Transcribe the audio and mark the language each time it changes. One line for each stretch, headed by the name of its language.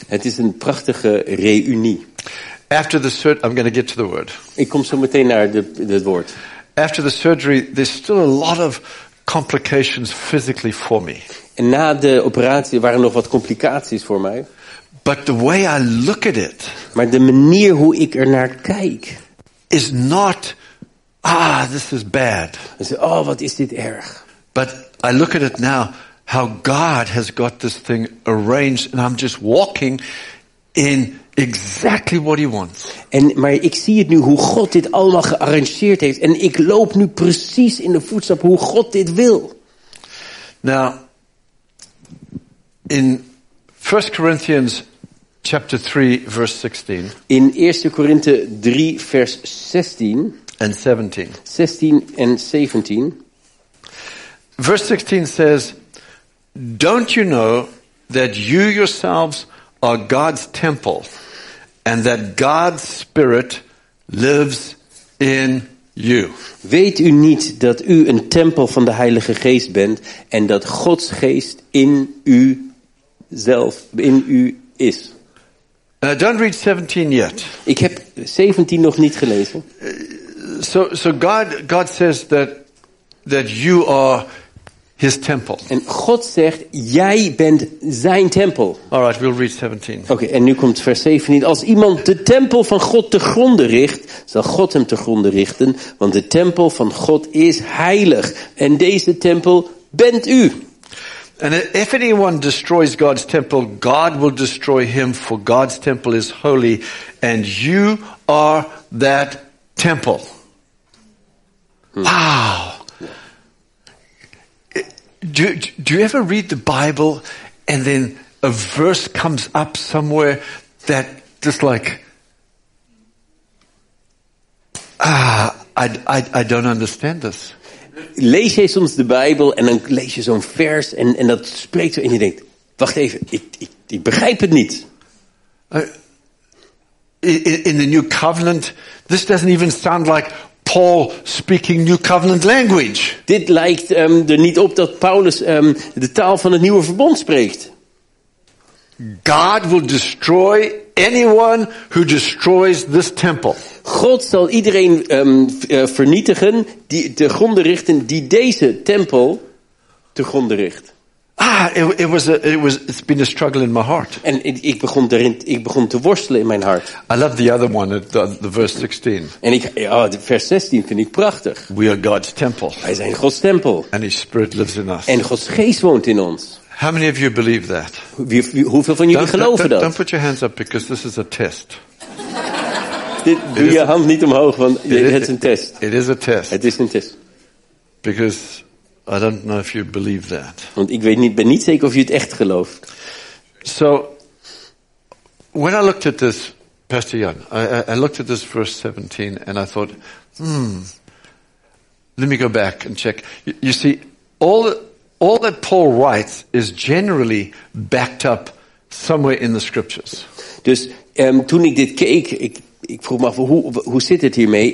Dutch: Het is een prachtige reunie.
English: After the surgery, I'm going to get to the word.
Dutch: Ik kom zo meteen naar het woord.
English: After the surgery, there's still a lot of complications physically for me.
Dutch: En na de operatie waren nog wat complicaties voor mij.
English: But the way I look at it,
Dutch: maar de manier hoe ik er naar kijk,
English: is not. Ah, this is bad.
Dutch: Oh, wat is dit erg.
English: But I look at it now, how God has got this thing arranged, and I'm just walking in exactly what he wants.
Dutch: Maar ik zie het nu, hoe God dit allemaal gearrangeerd heeft, en ik loop nu precies in de voetstap hoe God dit wil.
English: Now, in 1 Corinthians chapter 3, verse 16.
Dutch: In 1 Corinthe 3, vers 16.
English: And 17. 16 and 17. Verse 16 says, "Don't you know that you yourselves are God's temple, and that God's Spirit lives in you?"
Dutch: Weet u niet dat u een tempel van de Heilige Geest bent, en dat Gods Geest in u zelf in u is?
English: Don't read 17 yet.
Dutch: Ik heb 17 nog niet gelezen.
English: So God says that you are his temple.
Dutch: En God zegt, jij bent zijn tempel.
English: All right, we'll read 17.
Dutch: Okay, en nu komt vers 17. Als iemand de tempel van God te gronden richt, zal God hem te gronden richten. Want de tempel van God is heilig. En deze tempel bent u.
English: And if anyone destroys God's temple, God will destroy him. For God's temple is holy. And you are that temple. Wow. Do you ever read the Bible and then a verse comes up somewhere that just like I don't understand this.
Dutch: Lees jij soms de Bijbel en dan lees je zo'n vers en dat spreekt zo en je denkt, wacht even, ik begrijp het niet.
English: In the new covenant, this doesn't even sound like Paul speaking new covenant language.
Dutch: Dit lijkt er niet op dat Paulus de taal van het nieuwe verbond spreekt.
English: God will destroy anyone who destroys this temple.
Dutch: God zal iedereen vernietigen die te gronden richten die deze tempel te gronden richt. Ah,
English: it's been a struggle in my heart.
Dutch: En ik begon te worstelen in mijn hart.
English: I love the other one, the verse 16.
Dutch: En vers 16 vind ik prachtig.
English: We are God's temple.
Dutch: Wij zijn Gods tempel.
English: And His Spirit lives in us.
Dutch: En Gods geest woont in ons.
English: How many of you believe that?
Dutch: Hoeveel van jullie geloven dat?
English: Don't put your hands up because this is a test.
Dutch: Doe je hand niet omhoog, want het is een test.
English: It is a test.
Dutch: Het is een test.
English: Because I don't know if you believe that.
Dutch: Want ik ben niet zeker of je het echt gelooft.
English: So when I looked at this, Pastor Jan, I looked at this verse 17 and I thought, let me go back and check. You see, all that Paul writes is generally backed up somewhere in the scriptures.
Dutch: Dus toen ik dit keek, ik vroeg me af hoe zit het hiermee?